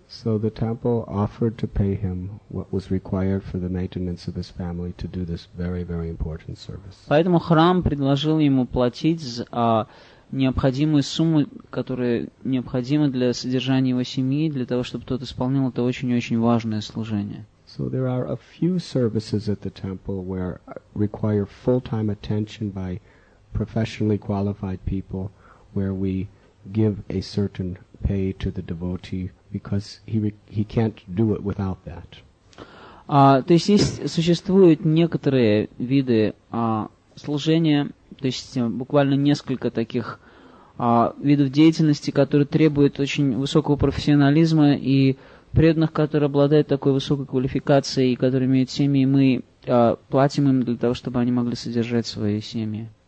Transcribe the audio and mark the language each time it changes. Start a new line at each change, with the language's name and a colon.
English: So the temple offered to pay him what was required for the maintenance of his family to do this very, very important service.
Russian: Поэтому храм предложил ему платить за необходимую сумму, которая необходима для содержания его семьи, для того, чтобы тот исполнил это очень-очень важное служение.
English: So there are a few services at the temple where require full-time attention by professionally qualified people, where we give a certain pay to the devotee because he can't do it without that.
Russian: То есть существуют некоторые виды служения, то есть буквально несколько таких видов деятельности, которые требуют очень высокого профессионализма и преданных, которые обладают такой высокой квалификацией и которые имеют семьи, мы платим им для того, чтобы они могли содержать свои семьи.